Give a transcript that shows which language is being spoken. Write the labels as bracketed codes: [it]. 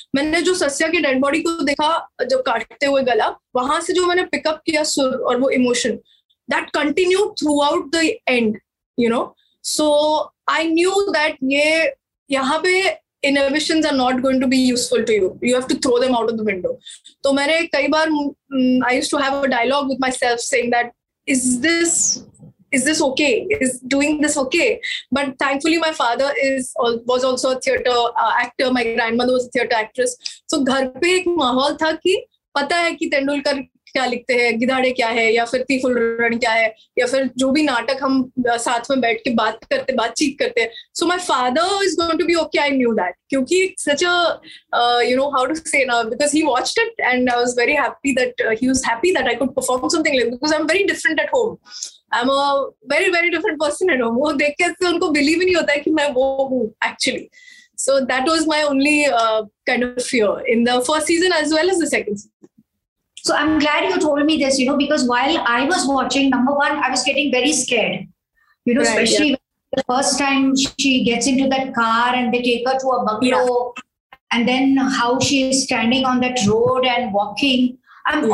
[hi] मैंने जो सस्या के डेड बॉडी को देखा जो काटते हुए गला, वहां से जो मैंने पिकअप किया सुर और वो emotion, [en] That continue throughout the end, you know. So I knew that [hi] yahan pe [en] inhibitions are not going to be useful to you. You have to throw them out of the window. So [hi] maine kai baar, [en] I used to have a dialogue with myself saying that is this okay? Is doing this okay? But thankfully my father was also a theater actor. My grandmother was a theater actress. [hi] So ghar pe ek mahol tha ki pata hai ki Tendulkar क्या लिखते हैं, गिधाड़े क्या है, या फिर ती फुलरण क्या है, या फिर जो भी नाटक हम साथ में बैठ के बातचीत करते हैं. [en] So my father is going to be okay, I knew that, क्योंकि such a you know how to say now, because he watched it and I was very happy that he was happy that I could perform something, like because I am very different at home, I am a very very different person at home. [hi] वो देख के उनको believe ही नहीं होता है कि मैं वो हूँ actually. [en] So that was my only kind of fear in the first season as well as the second season. So I'm glad you told me this, you know, because while I was watching, number one, I was getting very scared, you know, right, especially yeah. The first time she gets into that car and they take her to a bungalow, yeah. And then how she is standing on that road and walking. I'm yeah.